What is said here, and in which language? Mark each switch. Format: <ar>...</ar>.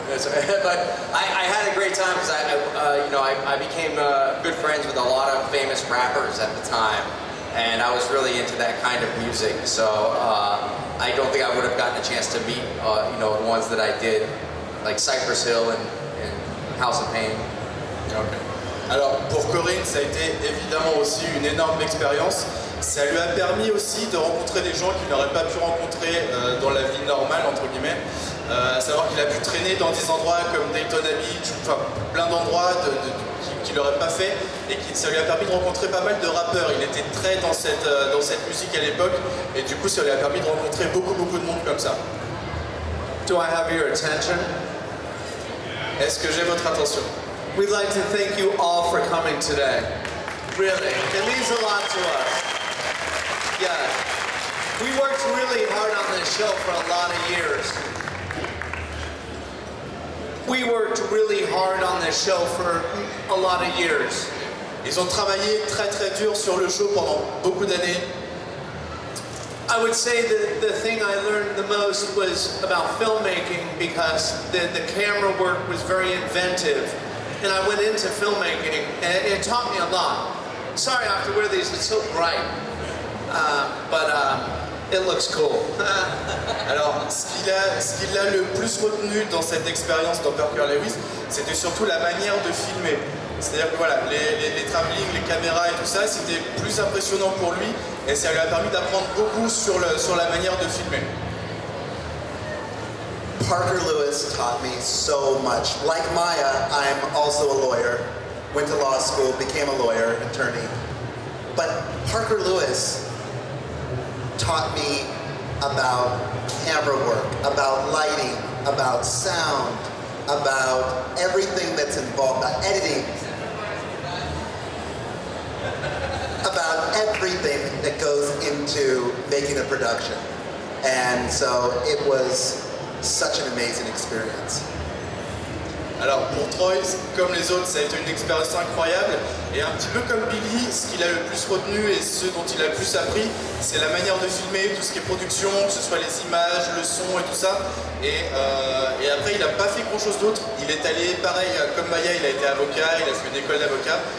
<en>But I had a great time because I became good friends with a lot of famous rappers at the time. And I was really into that kind of music, so I don't think I would have gotten a chance to meet, you know, the ones that I did, like Cypress Hill and House of Pain. Okay.</en> <fr>Alors pour Corin, ça a été évidemment aussi une énorme expérience. Ça lui a permis aussi de rencontrer des gens qu'il n'aurait pas pu rencontrer dans la vie normale entre guillemets. À savoir qu'il a pu traîner dans des endroits comme Daytona Beach, enfin plein d'endroits qu'il n'aurait pas fait et qui, ça lui a permis de rencontrer pas mal de rappeurs. Il était très dans cette musique à l'époque et du coup ça lui a permis de rencontrer beaucoup de monde comme ça.</fr> <en>Do I have your attention?</en> <fr>Est-ce que j'ai votre attention?</fr> <en>We'd like to thank you all for coming today. Really, it means a lot to us. Yeah. We worked really hard on this show for a lot of years. We worked really hard on this show for a lot of years.</en> <fr>Ils ont travaillé très très dur sur le show pendant beaucoup d'années.</fr> <en>I would say that the thing I learned the most was about filmmaking because the camera work was very inventive. And I went into filmmaking and it taught me a lot. Sorry I have to wear these, it's so bright. It looks cool.</en> <fr>Alors, ce qu'il a le plus retenu dans cette expérience dans Parker Lewis, c'était surtout la manière de filmer. C'est-à-dire que voilà, les travelling, les caméras et tout ça, c'était plus impressionnant pour lui et ça lui a permis d'apprendre beaucoup sur la manière de filmer.</fr> <en>Parker Lewis taught me so much. Like Maia, I'm also a lawyer. Went to law school, became a lawyer, attorney. But Parker Lewis taught me about camera work, about lighting, about sound, about everything that's involved, about editing, about everything that goes into making a production. And so it was such an amazing experience.</en> <fr>Alors pour Troy, comme les autres, ça a été une expérience incroyable. Et un petit peu comme Billy, ce qu'il a le plus retenu et ce dont il a le plus appris, c'est la manière de filmer, tout ce qui est production, que ce soit les images, le son et tout ça. Et après, il n'a pas fait grand-chose d'autre. Il est allé, pareil, comme Maia, il a été avocat, il a fait une école d'avocat.</fr>